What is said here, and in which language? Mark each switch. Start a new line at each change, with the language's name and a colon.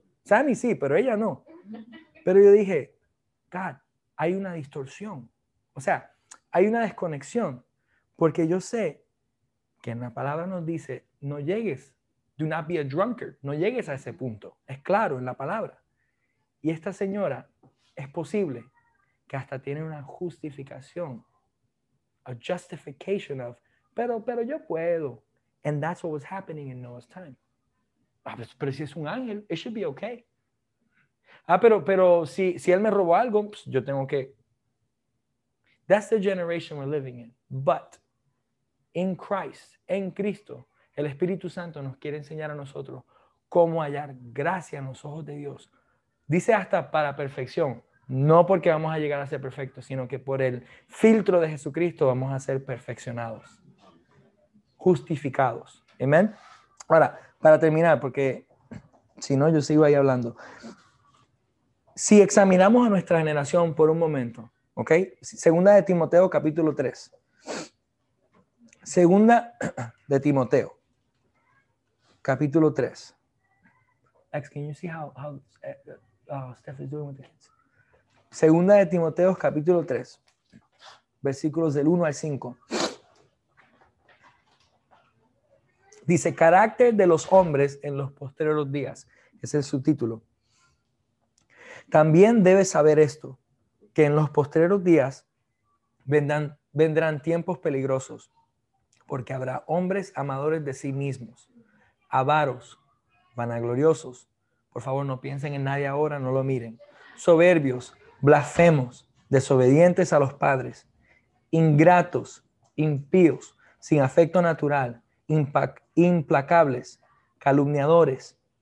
Spanish: Sammy sí, pero ella no. Pero yo dije, God, hay una distorsión, o sea, hay una desconexión, porque yo sé que en la palabra nos dice, no llegues,
English: do not be a drunkard,
Spanish: no llegues a ese punto. Es claro en la palabra. Y esta señora, es posible que hasta tiene una justificación,
English: a justification of,
Spanish: pero yo puedo.
English: And that's what was happening in Noah's time.
Spanish: Ah, pero si es un ángel,
English: it should be okay.
Spanish: Ah, pero si él me robó algo, pues yo tengo que...
English: That's the generation we're living in. But in Christ,
Spanish: en Cristo, el Espíritu Santo nos quiere enseñar a nosotros cómo hallar gracia en los ojos de Dios. Dice hasta para perfección. No porque vamos a llegar a ser perfectos, sino que por el filtro de Jesucristo vamos a ser perfeccionados. Justificados. ¿Amén? Ahora, para terminar, porque si no yo sigo ahí hablando. Si examinamos a nuestra generación por un momento, ¿ok? Segunda de Timoteo, capítulo 3. Segunda de Timoteo, capítulo 3.
English: Ex, can you see how Steph is doing with the kids?
Spanish: Segunda de Timoteo, capítulo 3, versículos del 1 al 5. Dice, carácter de los hombres en los postreros días. Ese es su título. También debes saber esto, que en los postreros días vendrán tiempos peligrosos, porque habrá hombres amadores de sí mismos, avaros, vanagloriosos, por favor no piensen en nadie ahora, no lo miren, soberbios, blasfemos, desobedientes a los padres, ingratos, impíos, sin afecto natural, implacables, calumniadores,